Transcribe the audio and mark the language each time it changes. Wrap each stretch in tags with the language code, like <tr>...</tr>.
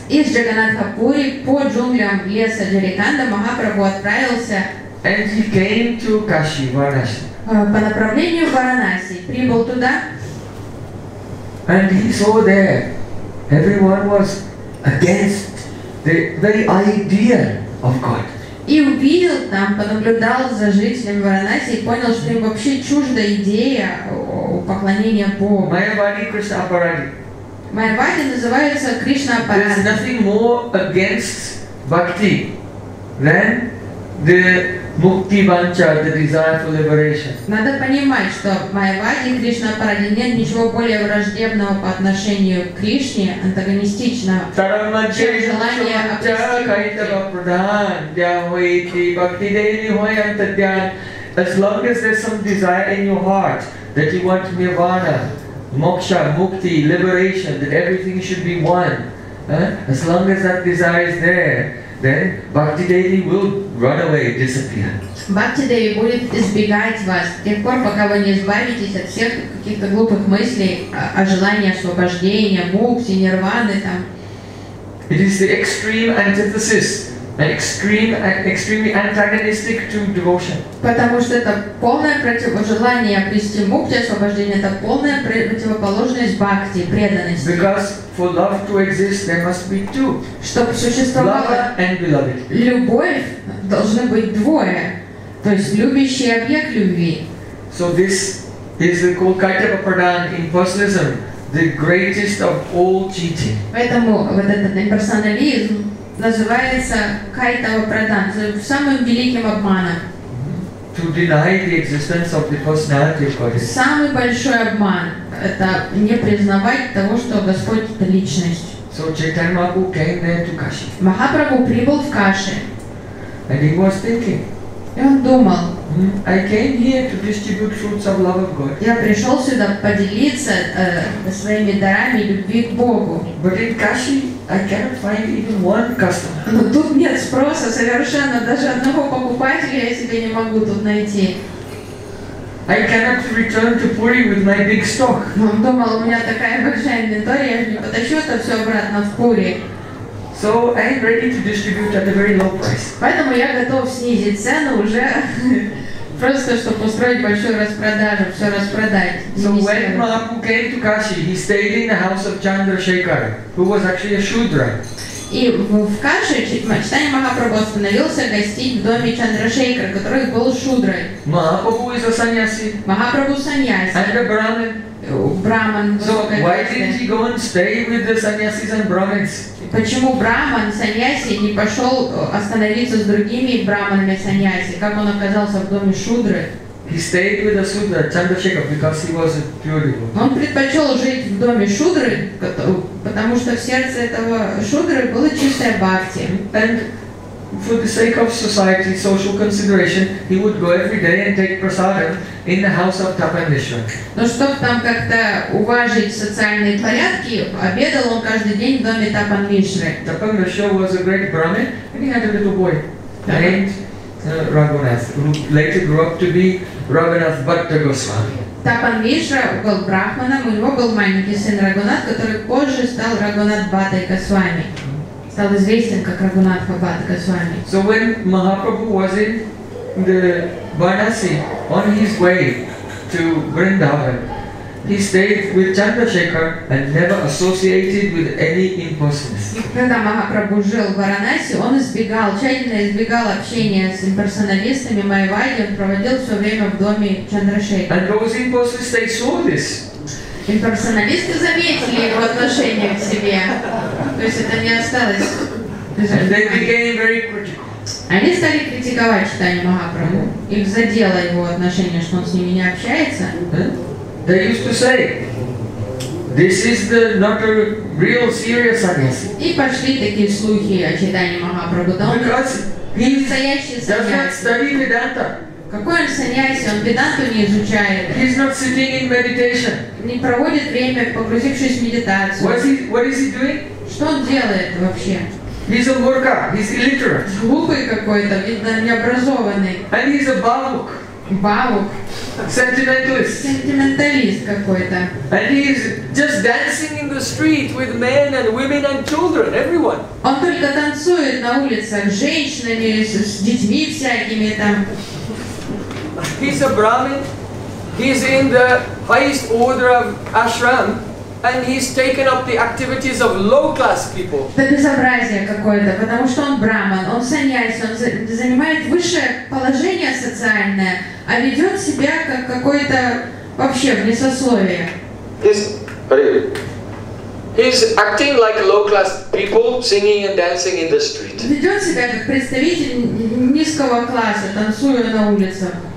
<ru>Из Джаганнатха Пури по джунглям леса Джариканда Махапрабху отправился.</ru> <en>And he came to Kashi, Varanasi.</en> <ru>По направлению в Варанаси прибыл туда.</ru> <en>And he saw there, everyone was against the very idea of God.</en> <ru>И увидел там, понаблюдал за жителями Варанаси и понял, что им вообще чужда идея поклонения Богу. Майявади и Кришна Апаради. Майявади называется Кришна Апаради.</ru> <en>There is nothing more against bhakti than the mukti vancha, the desire for liberation.</en> <ru>Надо понимать, что Майявади и Кришна Апаради нет ничего более враждебного по отношению к Кришне, антагонистичного, чем желание обрести.</ru> <en>As long as there's some desire in your heart that you want nirvana, moksha, mukti, liberation, that everything should be one. As long as that desire is there, then Bhakti Devi will run away, disappear.</en> <ru>Bhakti Devi будет избегать вас, тех пор, пока вы не избавитесь от всех каких-то глупых мыслей о желании освобождения, мукти, нирваны там.</ru> <en>It is the extreme antithesis, extremely antagonistic to devotion.</en> <ru>Потому что это полное противоположение обрести мукти, освобождение, это полная противоположность бхакти, преданности.</ru> <en>Because for love to exist, there must be two.</en> <ru>Чтобы существовала любовь, должны быть двое. То есть любящий объект любви.</ru> <en>So this is the Kolkata Pradhan in personalism, the greatest of all cheating.</en> <ru>Поэтому вот этот имперсонализм называется Кайтава Прадан, самым великим обманом.</ru> <en>To deny the existence of the personality of God.</en> <ru>Самый большой обман – это не признавать того, что Господь – это личность.</ru> <en>So Chaitanya Mahaprabhu came there to Kashi.</en> <ru>Махапрабху прибыл в Каши.</ru> <en>And he was thinking.</en> <ru>И он думал.</ru> <en>I came here to distribute fruits of love of God.</en> <ru>Я пришел сюда поделиться своими дарами любви к Богу.</ru> <en>But in Kashi, I cannot find even one customer.</en> <ru>Но тут нет спроса совершенно, даже одного покупателя я себе не могу тут найти.</ru> <en>I cannot return to Puri with my big stock.</en> <ru>Он думал, у меня такая большая инвентория, я не потащу это все обратно в Пури.</ru> <en>So I am ready to distribute at a very low price.</en> <ru>Поэтому я готов снизить цену уже просто, чтобы устроить большую распродажу, все распродать.</ru> <en>So when Mahaprabhu came to Kashi, he stayed in the house of Chandrasekhar, who was actually a Shudra.</en> <ru>И в Каши Чайтанья Махапрабху остановился гостить в доме Чандрашейкара, который был Шудрой. Махапрабху из Саньяси. Махапрабху Саньяси.</ru> <en>And a Brahmin. Brahmin. So why didn't he go and stay with the Sannyasis and Brahmins?</en> <ru>Почему Брахман Саньяси не пошел остановиться с другими Брахманами Саньяси? Как он оказался в доме Шудры?</ru> <en>He stayed with the Shudra, Chandrasekhar, because he was a pure devotee.</en> <ru>Он предпочел жить в доме Шудры, потому что в сердце этого Шудры было чистое бхакти.</ru> <en>And for the sake of society, social consideration, he would go every day and take prasadam in the house of Tapanishwar.</en> <ru>Но чтобы там как-то уважить социальные порядки, обедал он каждый день в доме Тапанишвары.</ru> <en>Тапанишвар was a great Brahmin, and he had a little boy named Raghunath, who later grew up to be Raghunath Bhatta Goswami.</en> <ru>Тапанишвара был брахманом, у него был маленький сын Рагунат, который позже стал Рагунат Бхатта Госвами. Стал известен как Рагунатха Бхатта Госвами.</ru> <en>So when Mahaprabhu was in the Varanasi on his way to Vrindavan, he stayed with Chandrasekhar and never associated with any impersonalists.</en> <ru>Когда Махапрабху жил в Варанаси, он избегал, тщательно избегал общения с имперсоналистами, майявади, он проводил все время в доме Чандрашейкара.</ru> <en>And those impersonalists, they saw this.</en> <ru>Имперсоналисты заметили его отношение к себе. То есть это не осталось.</ru> <en>They became very critical.</en> <ru>Они стали критиковать Чайтанью Махапрабху. Их задело его отношение, что он с ними не общается.</ru> <en>They used to say, this is the not a real serious sannyasi.</en> <ru>И пошли такие слухи о Чайтанье Махапрабху.</ru> <en>Because he</en> <ru>настоящий sannyasi.</ru> <en>Does not study Vedanta.</en> <ru>Какой он sannyasi? Он Веданту не изучает.</ru> <en>He's not sitting in meditation.</en> <ru>Не проводит время, погрузившись в медитацию.</ru> <en>What is he doing?</en> <ru>Что он делает вообще?</ru> <en>He's a murka, he's illiterate.</en> <ru>Глупый какой-то, видно, необразованный.</ru> <en>And he's a bavuk. Bavuk. Sentimentalist.</en> <ru>Sentimentalist какой-то.</ru> <en>And he's just dancing in the street with men and women and children, everyone.</en> <ru>Он только танцует на улицах с женщинами, с детьми всякими там.</ru> <en>He's a Brahmin. He's in the highest order of ashram. And he's taken up the activities of low-class people.</en> <ru>Это безобразие какое-то, потому что он браман, он саньяси, он занимает высшее положение социальное, а ведет себя как какое-то вообще вне сословия.</ru> <en>He's acting like low-class people, singing and dancing in the street.</en> <ru>Ведет себя как представитель низкого класса, танцуя на улицах.</ru>